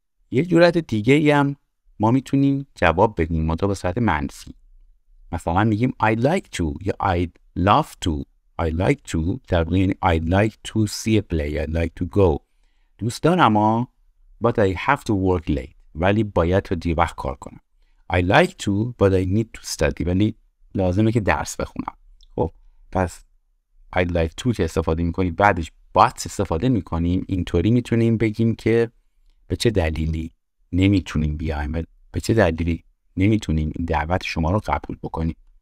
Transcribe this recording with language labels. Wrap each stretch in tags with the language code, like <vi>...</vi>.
<fa>یه جورت دیگه هم ما میتونیم جواب بدیم، منتها به صورت منفی. مثلا میگیم</fa> <en>I'd like to یا I'd love to. I like to</en> <fa>در واقع یعنی</fa> <en>I'd like to see a play. I'd like to go.</en> <fa>دوست دارم اما</fa> <en>but I have to work late.</en> <fa>ولی باید تا دیر وقت کار کنم.</fa> <en>I like to but I need to study.</en> <fa>ولی لازمه که درس بخونم. خب پس</fa> <en>I'd like to</en> <fa>که استفاده میکنی، بعدش but استفاده میکنیم، اینطوری میتونیم بگیم که به چه دلیلی نمیتونیم بیایم، به چه دلیلی نمیتونیم دعوت شما رو قبول بکنیم.</fa>